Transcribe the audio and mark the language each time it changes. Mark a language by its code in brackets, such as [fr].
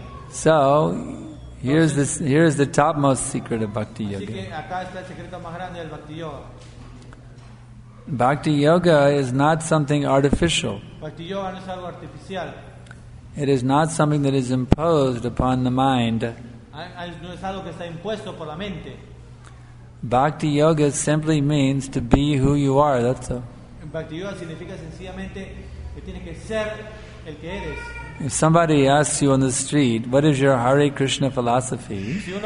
[en] So, here is the topmost secret of Bhakti Yoga. Bhakti Yoga is not something artificial. It is not something that is imposed upon the mind. [es] No es algo que está impuesto por la mente. [en] Bhakti yoga simply means to be who you are. That's all. [es] Bhakti yoga significa sencillamente que tienes que ser el que eres. [en] If somebody asks you on the street, what is your Hare Krishna philosophy?